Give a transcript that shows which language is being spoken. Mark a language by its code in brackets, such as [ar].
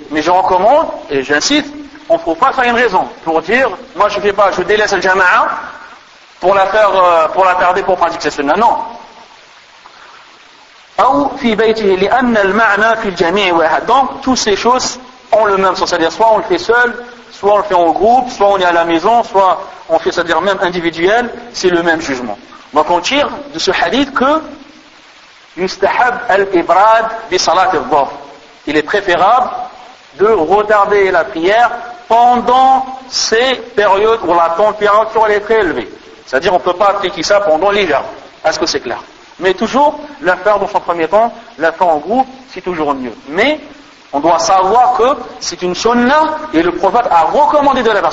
[fr] Mais je recommande, et j'insiste, on ne faut pas faire une raison pour dire, moi je ne fais pas, je délaisse le jama'a pour la faire, pour l'attarder pour pratiquer cette sunna. Non. [ar] أو في بيته لأن المعنى في الجميع واحد. [fr] Donc toutes ces choses ont le même sens, c'est-à-dire soit on le fait seul, soit on le fait en groupe, soit on est à la maison, soit on fait, c'est-à-dire même individuel, c'est le même jugement. Donc on tire de ce hadith que [ar] يستحب الإبراد بصلاة الظهر. [fr] Il est préférable de retarder la prière pendant ces périodes où la température est très élevée. C'est-à-dire on ne peut pas appliquer ça pendant l'hiver. Est-ce que c'est clair? Mais toujours, la faire dans son premier temps, la faire en groupe, c'est toujours mieux. Mais on doit savoir que c'est une sunna et le prophète a recommandé de la faire.